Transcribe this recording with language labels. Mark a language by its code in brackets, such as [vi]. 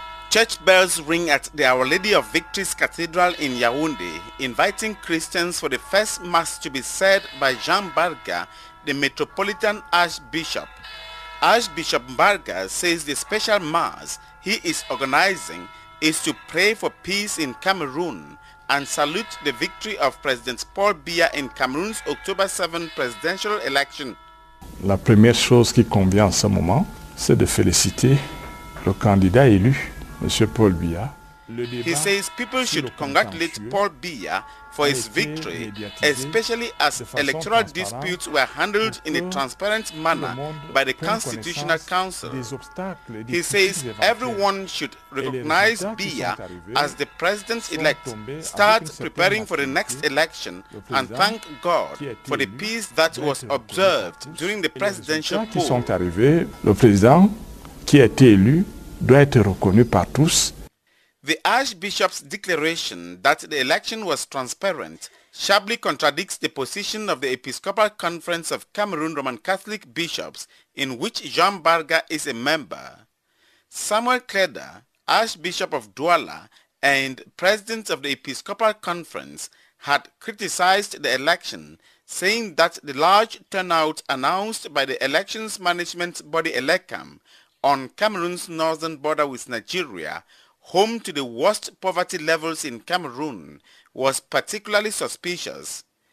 [en] Church bells ring at the Our Lady of Victory's Cathedral in Yaounde, inviting Christians for the first mass to be said by Jean Mbarga, the Metropolitan Archbishop. Archbishop Mbarga says the special mass he is organizing is to pray for peace in Cameroon and salute the victory of President Paul Biya in Cameroon's October 7 presidential election. [fr] La première chose qui convient en ce moment, c'est de féliciter le candidat élu, Monsieur Paul Biya. [en] He says people should congratulate Paul Biya for his victory, especially as electoral disputes were handled in a transparent manner by the Constitutional Council. He says everyone should recognize Biya as the president-elect, start preparing for the next election, and thank God for the peace that was observed during the presidential poll. [fr] Le président qui a été élu doit être reconnu par tous. [en] The Archbishop's declaration that the election was transparent sharply contradicts the position of the Episcopal Conference of Cameroon Roman Catholic Bishops, in which Jean Mbarga is a member. Samuel Kleda, Archbishop of Douala and President of the Episcopal Conference, had criticized the election, saying that the large turnout announced by the elections management body ELECAM on Cameroon's northern border with Nigeria, home to the worst poverty levels in Cameroon, was particularly suspicious.